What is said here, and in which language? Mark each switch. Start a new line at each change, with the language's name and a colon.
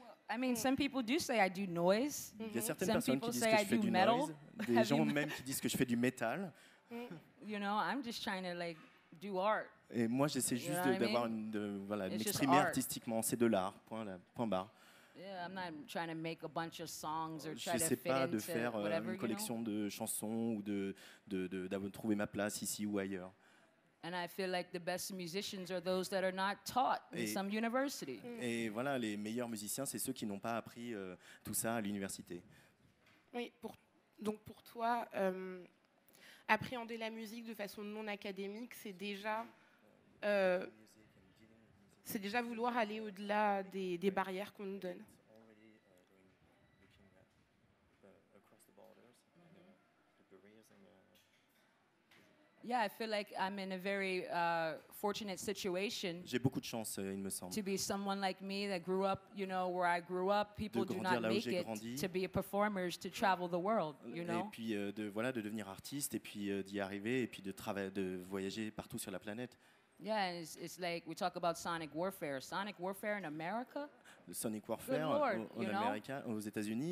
English: I mean, some people do say I do noise.
French: Il y a certaines personnes qui disent que je fais du metal. Des gens même qui disent que je fais du métal.
English: You know, I'm just trying to like do art.
French: Et moi, j'essaie juste d'avoir m'exprimer artistiquement. C'est de l'art. Point là, point barre.
English: Yeah, I'm not trying to make a bunch of songs or try to fit into whatever.
French: Je sais pas de faire une collection de chansons ou de trouver ma place ici ou ailleurs.
English: And I feel like the best musicians are those that are not taught in some university.
French: Et voilà, les meilleurs musiciens, c'est ceux qui n'ont pas appris tout ça à l'université. Oui, pour toi, appréhender la musique de façon non académique, c'est déjà vouloir aller au-delà des barrières qu'on nous donne.
English: Yeah, I feel like I'm in a very fortunate situation.
French: J'ai beaucoup de chance, il me semble.
English: To be someone like me that grew up, you know, where I grew up, people do not make it to be a performer, to travel the world, you know.
French: Et puis de devenir artiste et puis d'y arriver et puis de voyager partout sur la planète.
English: Yeah, it's like we talk about sonic warfare. Sonic warfare in America?
French: Le sonic warfare en Amérique, aux États-Unis.